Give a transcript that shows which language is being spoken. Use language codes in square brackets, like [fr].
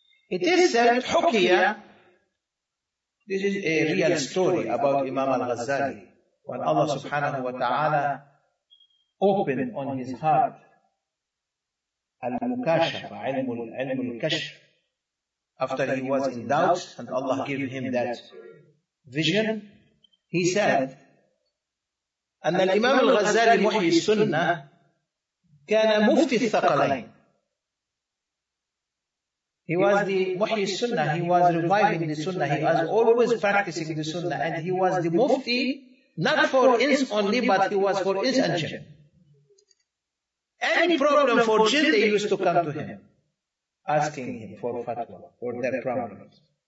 [en] It is said, Hukiya. This is a real story about Imam Al-Ghazali, when Allah subhanahu wa ta'ala opened on his heart Al-Mukashaf, Ilm Al-Kashf, after he was in doubt and Allah gave him that vision. He said, [ar] أن الإمام الغزالي محيي السنة كان مفتي الثقلين. [en] He was the Muhyi Sunnah, he was reviving the Sunnah, he was always practicing the Sunnah, and he was the Mufti, not for ins only, but he was for ins and jinn. Any problem for jinn, they used to come to him, asking him for fatwa, for their problems.